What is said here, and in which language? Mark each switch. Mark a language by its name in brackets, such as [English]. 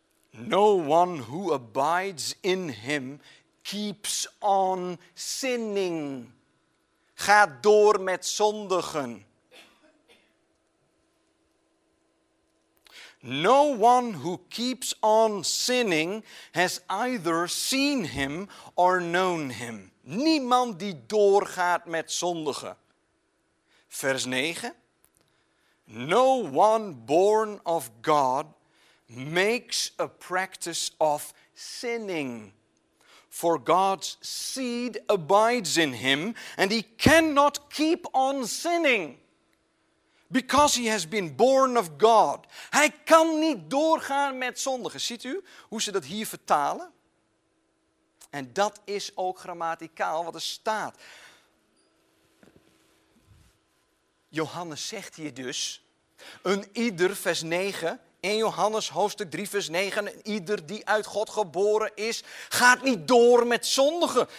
[English] No one who abides in him keeps on sinning. [Dutch] Gaat door met zondigen. [English] No one who keeps on sinning has either seen him or known him. [Dutch] Niemand die doorgaat met zondigen. Vers 9. [English] No one born of God makes a practice of sinning. For God's seed abides in him and he cannot keep on sinning. Because he has been born of God. [Dutch] Hij kan niet doorgaan met zondigen. Ziet u hoe ze dat hier vertalen? En dat is ook grammaticaal wat er staat. Johannes zegt hier dus, een ieder, vers 9, 1 Johannes hoofdstuk 3 vers 9, een ieder die uit God geboren is, gaat niet door met zondigen.